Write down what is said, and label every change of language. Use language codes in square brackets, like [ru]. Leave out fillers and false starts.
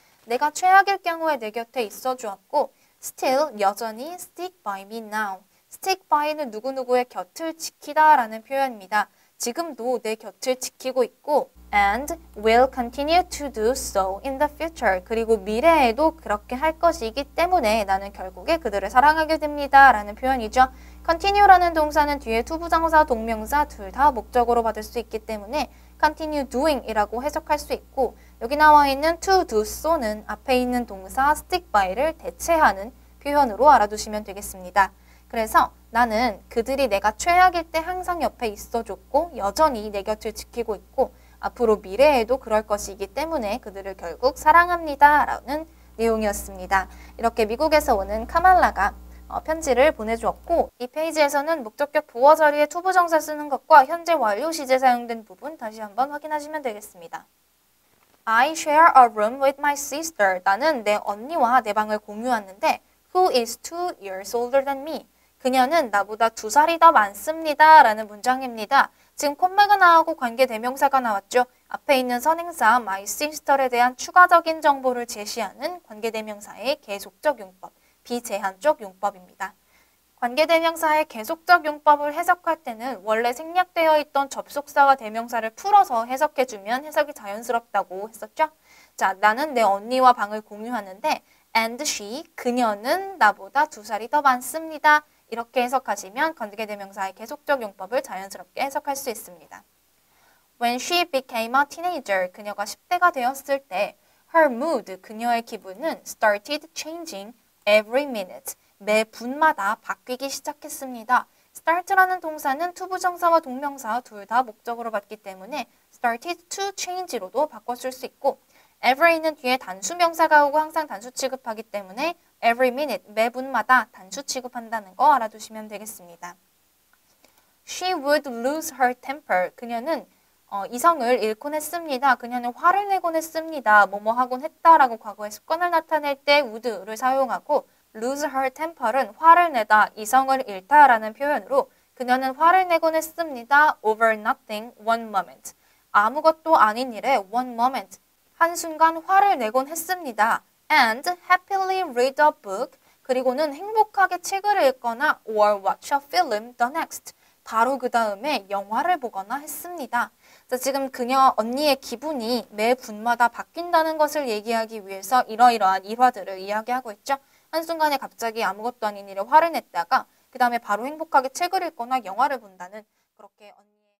[ko] 내가 최악일 경우에 내 곁에 있어 주었고, still, 여전히, [en] stick by me now. [ko] stick by는 누구누구의 곁을 지키다라는 표현입니다. 지금도 내 곁을 지키고 있고, [en] and will continue to do so in the future. [ko] 그리고 미래에도 그렇게 할 것이기 때문에 나는 결국에 그들을 사랑하게 됩니다라는 표현이죠. continue라는 동사는 뒤에 투부정사, 동명사 둘다 목적으로 받을 수 있기 때문에 continue doing이라고 해석할 수 있고 여기 나와 있는 to do so는 앞에 있는 동사 stick by를 대체하는 표현으로 알아두시면 되겠습니다. 그래서 나는 그들이 내가 최악일 때 항상 옆에 있어줬고 여전히 내 곁을 지키고 있고 앞으로 미래에도 그럴 것이기 때문에 그들을 결국 사랑합니다라는 내용이었습니다. 이렇게 미국에서 오는 카말라가 편지를 보내주었고, 이 페이지에서는 목적격 보어 자리에 투부정사 쓰는 것과 현재 완료 시제 사용된 부분 다시 한번 확인하시면 되겠습니다. [en] I share a room with my sister. [ko] 나는 내 언니와 내 방을 공유하는데, [en] who is 2 years older than me? [ko] 그녀는 나보다 2살이 더 많습니다. 라는 문장입니다. 지금 콤마가 나오고 관계 대명사가 나왔죠. 앞에 있는 선행사 my sister에 대한 추가적인 정보를 제시하는 관계 대명사의 계속적 용법. 비제한적 용법입니다. 관계대명사의 계속적 용법을 해석할 때는 원래 생략되어 있던 접속사와 대명사를 풀어서 해석해주면 해석이 자연스럽다고 했었죠? 자, 나는 내 언니와 방을 공유하는데, [en] and she, [ko] 그녀는 나보다 2살이 더 많습니다. 이렇게 해석하시면 관계대명사의 계속적 용법을 자연스럽게 해석할 수 있습니다. [en] When she became a teenager, [ko] 그녀가 10대가 되었을 때, [en] Her mood, [ko] 그녀의 기분은 [en] started changing every minute. [ko] 매 분마다 바뀌기 시작했습니다. start라는 동사는 투부정사와 동명사 둘다 목적으로 받기 때문에 [en] started to change [ko] 로도 바꿔쓸 수 있고 every는 뒤에 단수 명사가 오고 항상 단수 취급하기 때문에 every minute, 매 분마다 단수 취급한다는 거 알아두시면 되겠습니다. [en] She would lose her temper. [ko] 그녀는 이성을 잃곤 했습니다. 그녀는 화를 내곤 했습니다. 뭐뭐 하곤 했다라고 과거의 습관을 나타낼 때 would를 사용하고 [en] lose her temper [ko] 은 화를 내다, 이성을 잃다라는 표현으로 그녀는 화를 내곤 했습니다. [en] over nothing, one moment. [ko] 아무것도 아닌 일에 [en] one moment. [ko] 한순간 화를 내곤 했습니다. [en] and happily read a book. [ko] 그리고는 행복하게 책을 읽거나 [en] or watch a film the next. [ko] 바로 그 다음에 영화를 보거나 했습니다. 자, 지금 그녀 언니의 기분이 매 분마다 바뀐다는 것을 얘기하기 위해서 이러이러한 일화들을 이야기하고 있죠. 한순간에 갑자기 아무것도 아닌 일에 화를 냈다가 그 다음에 바로 행복하게 책을 읽거나 영화를 본다는 그렇게 언니.